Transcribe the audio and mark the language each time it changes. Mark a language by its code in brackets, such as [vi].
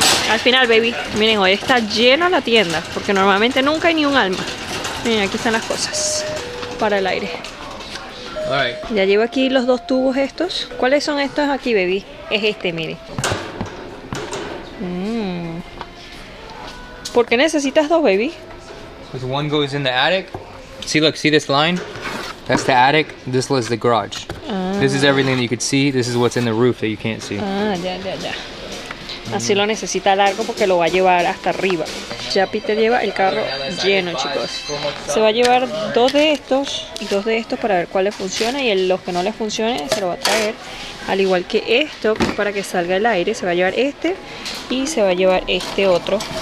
[es] Al final, baby. Miren, hoy está lleno la tienda. Porque normalmente nunca hay ni un alma. Miren, aquí están las cosas para el aire. [en] Right. [es] Ya llevo aquí los dos tubos estos. ¿Cuáles son estos aquí, baby? Es este, mire. ¿Por qué necesitas dos, baby? [en] Because one goes in the attic. See, look, see this line? That's the attic. This is the garage. This is everything that you could see. This is what's in the roof that you can't see. [es] Ah, ya, ya, ya. Así lo necesita largo porque lo va a llevar hasta arriba. Ya Peter lleva el carro lleno, chicos. Se va a llevar dos de estos y dos de estos para ver cuál le funciona. Y los que no le funcione se lo va a traer. Al igual que esto, que es para que salga el aire. Se va a llevar este y se va a llevar este otro.